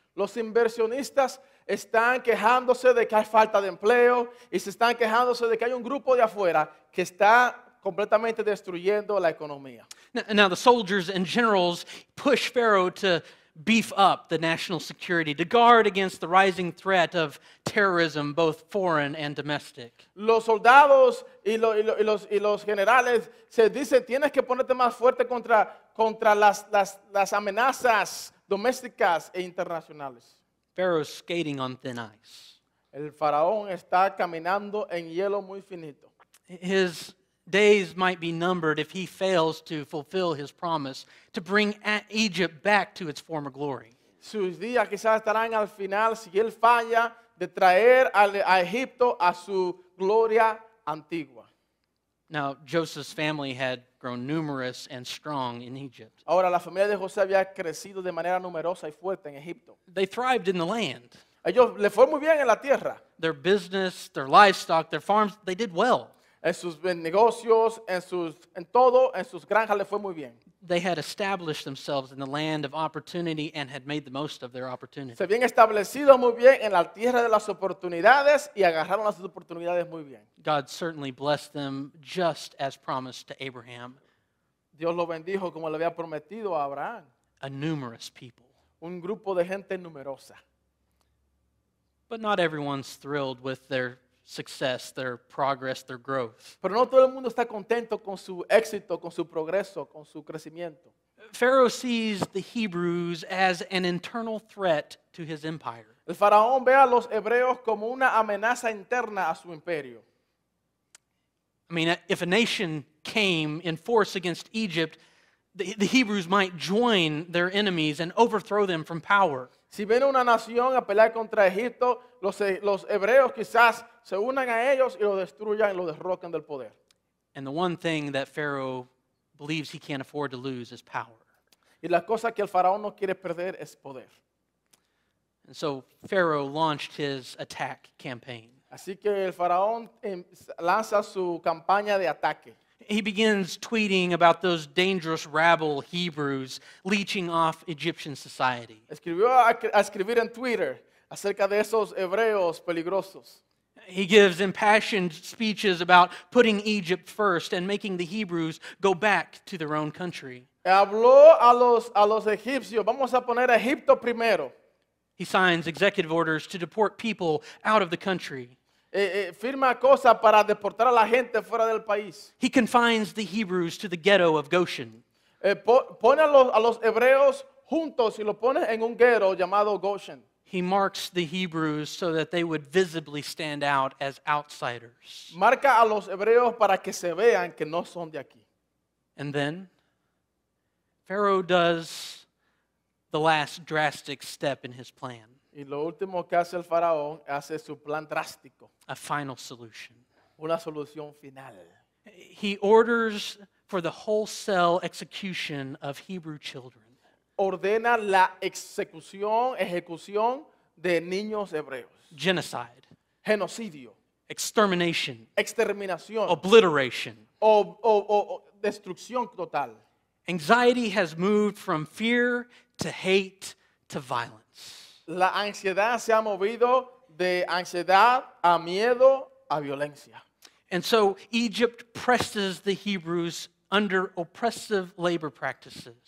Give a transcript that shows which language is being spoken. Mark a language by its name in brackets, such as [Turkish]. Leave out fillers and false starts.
[Spanish] Los inversionistas están quejándose de que hay falta de empleo y se están quejándose de que hay un grupo de afuera que está completamente destruyendo la economía. [English] Now the soldiers and generals push Pharaoh to beef up the national security, to guard against the rising threat of terrorism, both foreign and domestic. [Spanish] Los soldados y los generales se dice tienes que ponerte más fuerte contra las amenazas domésticas e internacionales. [English] Pharaoh's skating on thin ice. [Spanish] El faraón está caminando en hielo muy finito. [English] His days might be numbered if he fails to fulfill his promise to bring Egypt back to its former glory. [Spanish] Sus días quizás estarán al final si él falla de traer a Egipto a su gloria antigua. [English] Now, Joseph's family had grown numerous and strong in Egypt. [Spanish] Ahora, la familia de José había crecido de manera numerosa y fuerte en Egipto. [English] They thrived in the land. [Spanish] Ellos le fue muy bien en la tierra. [English] Their business, their livestock, their farms, they did well. [Spanish] En sus negocios, en sus granjas le fue muy bien. [English] They had established themselves in the land of opportunity and had made the most of their opportunity. [Spanish] Se habían establecido muy bien en la tierra de las oportunidades y agarraron las oportunidades muy bien. [English] God certainly blessed them just as promised to Abraham. [Spanish] Dios lo bendijo como le había prometido a Abraham. [English] A numerous people. [Spanish] Un grupo de gente numerosa. [English] But not everyone's thrilled with their success, their progress, their growth. [Spanish] Pero no todo el mundo está contento con su éxito, con su progreso, con su crecimiento. [English] Pharaoh sees the Hebrews as an internal threat to his empire. [Spanish] El faraón ve a los hebreos como una amenaza interna a su imperio. [English] I mean, if a nation came in force against Egypt, the Hebrews might join their enemies and overthrow them from power. [Spanish] Si viene una nación a pelear contra Egipto, los hebreos quizás se unan a ellos y lo destruyan y lo derroquen del poder. [English] And the one thing that Pharaoh believes he can't afford to lose is power. [Spanish] Y la cosa que el faraón no quiere perder es poder. [English] And so Pharaoh launched his attack campaign. [Spanish] Así que el faraón lanza su campaña de ataque. [English] He begins tweeting about those dangerous rabble Hebrews leeching off Egyptian society. [Spanish] Escribió en Twitter acerca de esos hebreos peligrosos. [English] He gives impassioned speeches about putting Egypt first and making the Hebrews go back to their own country. [Spanish] Habló a los egipcios, vamos a poner a Egipto primero. [English] He signs executive orders to deport people out of the country. [Spanish] Firma cosas para deportar a la gente fuera del país. [English] He confines the Hebrews to the ghetto of Goshen. [Spanish] Pone a los hebreos juntos y los pone en un ghetto llamado Goshen. [English] He marks the Hebrews so that they would visibly stand out as outsiders. [Spanish] Marca a los hebreos para que se vean que no son de aquí. [English] And then, Pharaoh does the last drastic step in his plan. [Spanish] Y lo último que hace el faraón hace su plan drástico. [English] A final solution. [Spanish] Una solución final. [English] He orders for the wholesale execution of Hebrew children. [Spanish] Ordena la ejecución de niños hebreos. [English] Genocide. [Spanish] Genocidio. [English] Extermination. [Spanish] Exterminación. [English] Obliteration. [Spanish] Destrucción total. [English] Anxiety has moved from fear to hate to violence. [Spanish] La ansiedad se ha movido de ansiedad a miedo a violencia. [English] And so Egypt presses the Hebrews under oppressive labor practices.